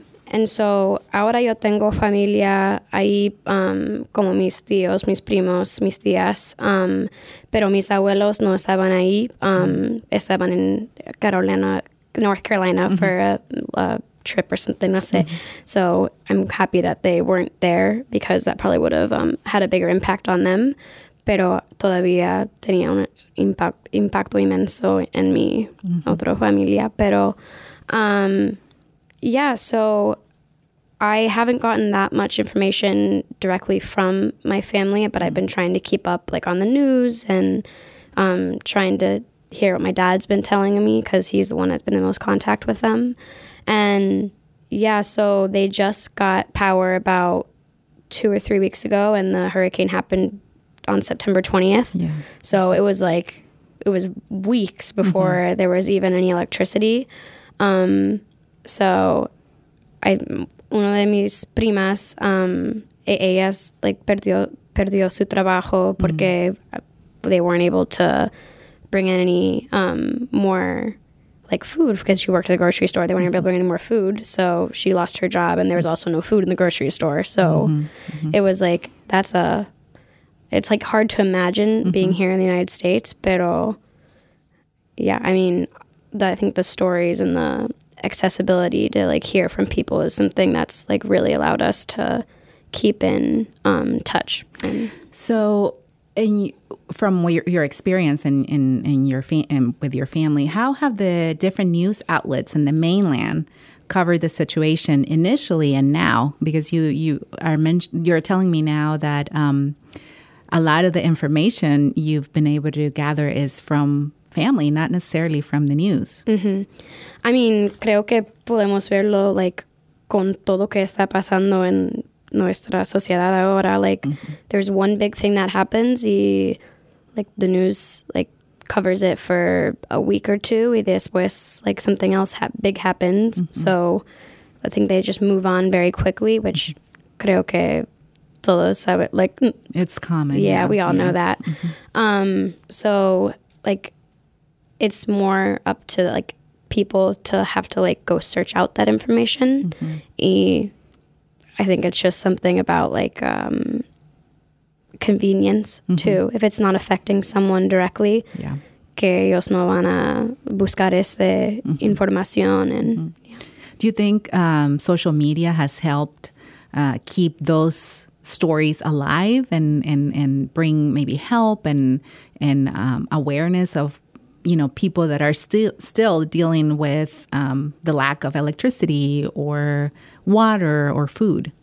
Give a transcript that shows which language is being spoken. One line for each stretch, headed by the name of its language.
English: And so
Spanish: ahora yo tengo familia ahí, como mis tíos, mis primos, mis tías, pero mis abuelos no estaban ahí. Estaban en
English: Carolina, North Carolina, mm-hmm. for a trip or something,
Spanish: no sé.
English: Mm-hmm. So I'm happy that they weren't there, because that probably would have had a bigger impact on them.
Spanish: Pero todavía tenía un impacto inmenso en mi mm-hmm. otra familia. Pero...
English: yeah, so I haven't gotten that much information directly from my family, but I've been trying to keep up, like, on the news and trying to hear what my dad's been telling me, because he's the one that's been in most contact with them. And, yeah, so they just got power about 2 or 3 weeks ago, and the hurricane happened on September 20th. Yeah. So it was, like, it was weeks before mm-hmm. there was even any electricity. So I
Spanish: una de mis primas ellas
English: like
Spanish: perdió su trabajo porque mm-hmm.
English: they weren't able to bring in any more like food, because she worked at a grocery store. They weren't able to bring in more food, so she lost her job, and there was also no food in the grocery store. So mm-hmm. it was like it's like hard to imagine mm-hmm. being here in the United States,
Spanish: pero
English: yeah, I mean, I think the stories and the accessibility to like hear from people is something that's like really allowed us to keep in touch. And so, and from your experience in your with your family, how have the different news outlets in the mainland covered the situation initially and now? Because you're telling me now that a lot of the information you've been able to gather is from family, not necessarily from the news. Mm-hmm. I mean,
Spanish: creo que podemos verlo,
English: like,
Spanish: con todo que está pasando en nuestra sociedad ahora.
English: Like, mm-hmm. there's one big thing that happens y, like, the news, like, covers it for a week or two
Spanish: y después,
English: like, something else big happens. Mm-hmm. So I think they just move on very quickly, which mm-hmm.
Spanish: creo que todos saben,
English: like... It's common. Yeah, we all know that. Mm-hmm. So, like... It's more up to, like, people to have to, like, go search out that information. Mm-hmm. I think it's just something about, like, convenience, mm-hmm. too. If it's not affecting someone directly, yeah.
Spanish: que ellos no van a buscar esa mm-hmm. información.
English: And mm-hmm. yeah. Do you think social media has helped keep those stories alive and bring maybe help and awareness of, you know, people that are still dealing with the lack of electricity or water or food?